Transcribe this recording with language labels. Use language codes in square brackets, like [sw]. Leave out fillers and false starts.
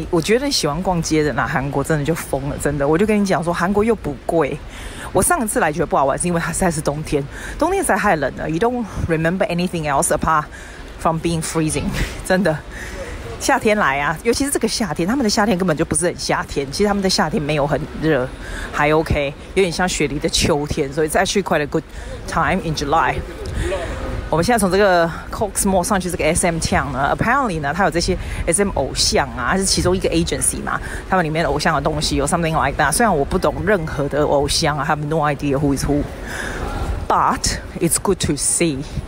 [zh] 我觉得你喜欢逛街的啦，韩国真的就疯了，真的。我就跟你讲说，韩国又不贵。我上一次来觉得不好玩，是因为它实在是冬天，冬天实在太冷了。 [en] You don't remember anything else apart from being freezing， [zh] 真的。夏天来啊，尤其是这个夏天，他们的夏天根本就不是很夏天。其实他们的夏天没有很热，还 OK， 有点像雪梨的秋天。所以 [en] it's actually quite a good time in July。 [zh] 我们现在从这个 Cox Mall 上去这个 SM Town 呢 ，Apparently 呢，它有这些 SM 偶像啊，是其中一个 agency 嘛，他们里面偶像的东西有 [en] something like that。 [zh] 虽然我不懂任何的偶像啊 [en] ，I have no idea who is who，but it's good to see。